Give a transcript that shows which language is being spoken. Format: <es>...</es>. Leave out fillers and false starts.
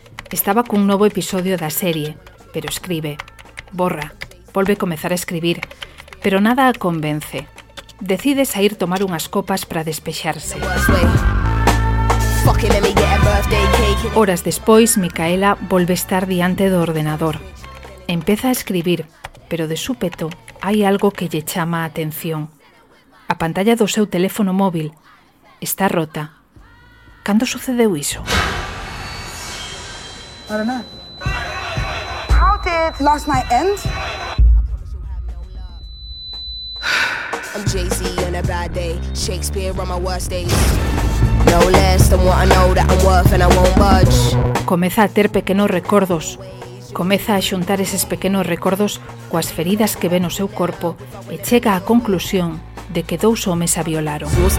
<gl>Estaba con un novo episodio da serie, pero escribe. Borra, volve a comezar a escribir, pero nada a convence. Decide sair tomar unhas copas para despexarse. Horas despois, Micaela volve a estar diante do ordenador. Empeza a escribir, pero de súpeto hai algo que lle chama a atención. A pantalla do seu teléfono móvil está rota. Cando sucedeu iso?</gl> <en>How did last night end? I'm Jay-Z on a bad day, Shakespeare on my worst days. No less than what I know that I'm worth and I won't budge.</en> <gl>Comeza a ter pequenos recordos. Comeza a xuntar eses pequenos recordos coas feridas que ve no seu corpo e chega á conclusión de que dous homes a violaron.</gl>